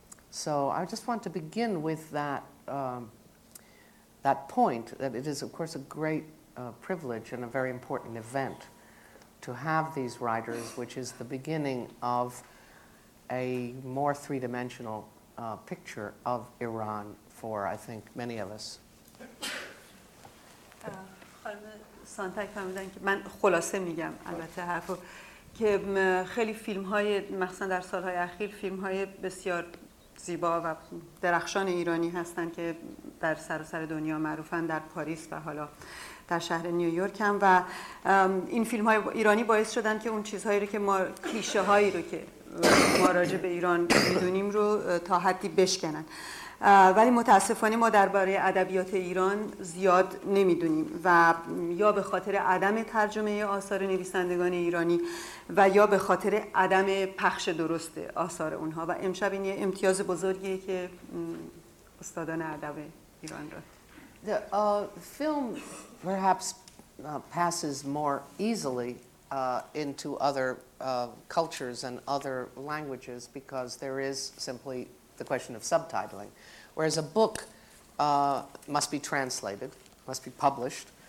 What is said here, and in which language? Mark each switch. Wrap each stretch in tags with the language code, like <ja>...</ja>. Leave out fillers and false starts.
<en>So I just want to begin with that that point, that it is, of course, a great privilege and a very important event to have these writers, which is the beginning of a more three-dimensional picture of Iran for, I think, many of us.</en> <fa>خانم سانتک فهمیدن که من خلاصه میگم البته حرفو که خیلی فیلم های مخصوصا در سالهای اخیر فیلم های بسیار زیبا و درخشان ایرانی هستن که در سراسر دنیا معروفن در پاریس و حالا در شهر نیویورک هم و این فیلم های ایرانی باعث شدن که اون چیزهایی رو که ما کلیشه هایی رو که ما راجع به ایران میدونیم رو تا حدی بشکنن ولی متاسفانه ما درباره ادبیات ایران زیاد نمیدونیم و یا به خاطر عدم ترجمه آثار نویسندگان ایرانی و یا به خاطر عدم پخش درست آثار اونها و امشب این یه امتیاز بزرگیه که استادان ادب ایران را.</fa> <en>The film perhaps passes more easily into other cultures and other languages because there is simply the question of subtitling, whereas a book must be translated, must be published,</en>